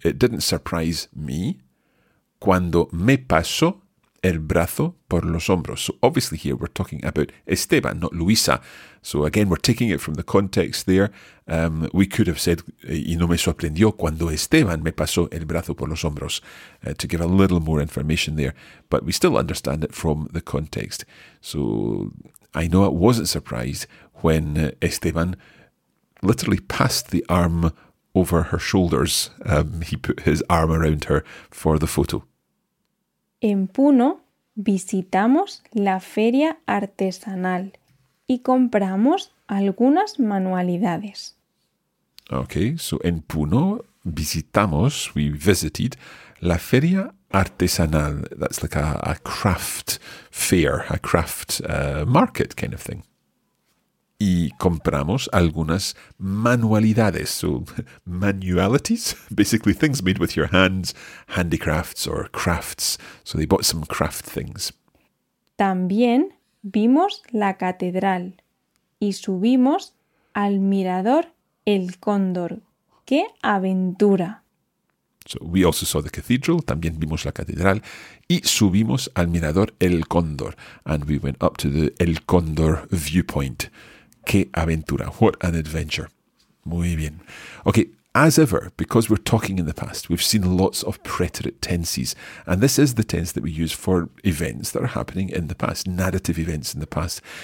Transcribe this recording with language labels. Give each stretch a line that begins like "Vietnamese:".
English: It didn't surprise me
Spanish: cuando me pasó el brazo por los hombros.
English: So obviously here we're talking about Esteban, not Luisa. So again, we're taking it from the context there. We could have said,
Spanish: y no me sorprendió cuando Esteban me pasó el brazo por los hombros,
English: to give a little more information there. But we still understand it from the context. So I know I wasn't surprised when Esteban literally passed the arm over her shoulders. He put his arm around her for the photo.
Spanish: En Puno visitamos la feria artesanal y compramos algunas manualidades.
English: Okay, so
Spanish: en Puno visitamos,
English: we visited,
Spanish: la feria artesanal.
English: That's like a craft fair, a craft market kind of thing.
Spanish: Y compramos algunas manualidades,
English: so manualities, basically things made with your hands, handicrafts or crafts. So they bought some craft things.
Spanish: También vimos la catedral y subimos al mirador El Cóndor. ¡Qué aventura!
English: So we also saw the cathedral,
Spanish: también vimos la catedral, y subimos al mirador El Cóndor.
English: And we went up to the El Cóndor viewpoint.
Spanish: ¡Qué aventura!
English: What an adventure.
Spanish: Muy bien.
English: Okay, as ever, because we're talking in the past, we've seen lots of preterite tenses. And this is the tense that we use for events that are happening in the past, narrative events in the past.